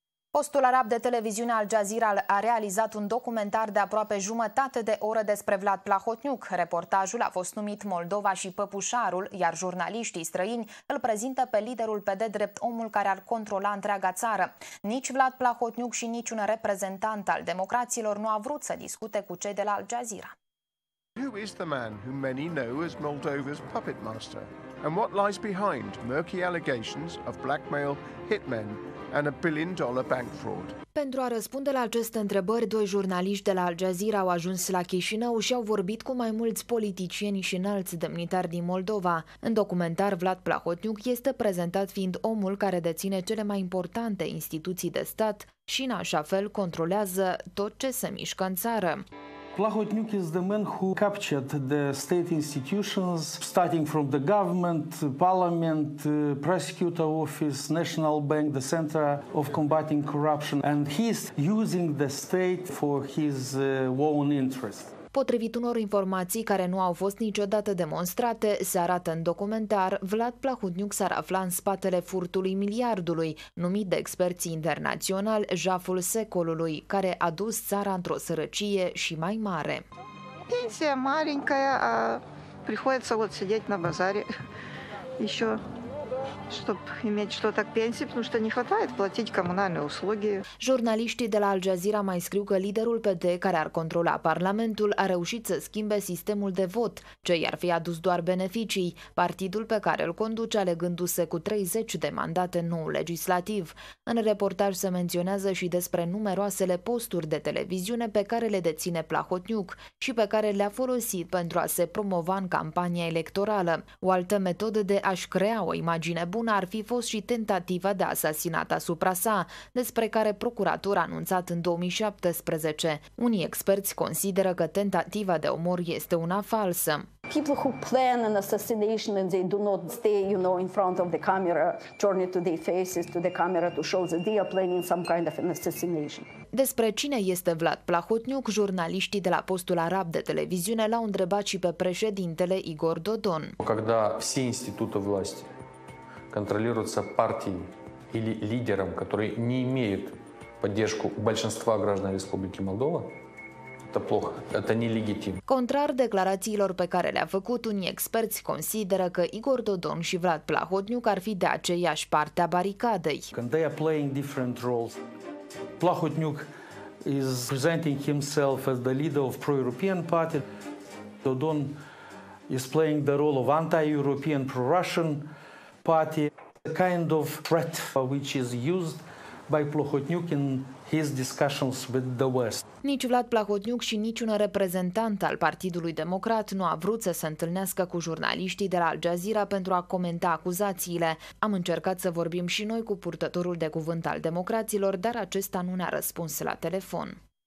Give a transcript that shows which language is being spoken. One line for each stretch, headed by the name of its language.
Romanian: Postul arab de televiziune Al Jazeera a realizat un documentar de aproape jumătate de oră despre Vlad Plahotniuc. Reportajul a fost numit Moldova și Păpușarul, iar jurnaliștii străini îl prezintă pe liderul PD drept omul care ar controla întreaga țară. Nici Vlad Plahotniuc și niciun reprezentant al democraților nu a vrut să discute cu cei de la Al Jazeera.
English: Who is the man whom many know as Moldova's puppet master? And what lies behind murky allegations of blackmail, hitmen and a billion-dollar bank fraud?
Romanian: Pentru a răspunde la aceste întrebări, doi jurnaliști de la Al Jazeera au ajuns la Chișinău și au vorbit cu mai mulți politicieni și înalți demnitari din Moldova. În documentar, Vlad Plahotniuc este prezentat fiind omul care deține cele mai importante instituții de stat și, în așa fel, controlează tot ce se mișcă în țară.
English: Plahotniuc is the man who captured the state institutions, starting from the government, parliament, prosecutor office, national bank, the center of combating corruption, and he's using the state for his own interest.
Romanian: Potrivit unor informații care nu au fost niciodată demonstrate, se arată în documentar, Vlad Plahotniuc s-ar afla în spatele furtului miliardului, numit de experții internaționali jaful secolului, care a dus țara într-o sărăcie și mai mare.
Russian: Pensia marincă, a prihoiat să văd sedeți la bazare, ișo... чтоб иметь что-то к пенсии, потому что не хватает платить коммунальные услуги.
Romanian: Журналиștii de la Al Jazeera mai scriu că liderul PD, care ar controla parlamentul, a reușit să schimbe sistemul de vot, ce i-ar fi adus doar beneficii. Partidul pe care îl conduce alegându-se cu 30 de mandate nou legislativ. În reportaj se menționează și despre numeroasele posturi de televiziune pe care le deține Plahotniuc și pe care le-a folosit pentru a se promova în campania electorală. O altă metodă de a-și crea o imagine bună ar fi fost și tentativa de asasinat asupra sa, despre care procuratura a anunțat în 2017. Unii experți consideră că tentativa de omor este una falsă.
English: People who plan an assassination and they do not stay, you know, in front of the camera, turn it to their faces to the camera to show that they are planning some kind of an assassination.
Romanian: Despre cine este Vlad Plahotniuc, jurnaliștii de la postul arab de televiziune l-au întrebat și pe președintele Igor Dodon. Când toate instituțiile
Russian: власти контролируются партией или лидером, который не имеет поддержку большинства граждан Республики Молдова, это плохо, это нелегитим.
Romanian: Contrar declarațiilor pe care le-a făcut, unii experți consideră că Igor Dodon și Vlad Plahotniuc ar fi de aceeași parte a baricadei.
English: Când they are playing different roles, Plahotniuc is presenting himself as the leader of pro-European party, Dodon is playing the role of anti-European, pro-Russian party, a kind of threat which is used by Plahotniuc in his discussions with the West.
Romanian: Nici Vlad Plahotniuc și niciun reprezentant al Partidului Democrat nu a vrut să se întâlnească cu jurnaliștii de la Al Jazeera pentru a comenta acuzațiile. Am încercat să vorbim și noi cu purtătorul de cuvânt al democraților, dar acesta nu ne-a răspuns la telefon.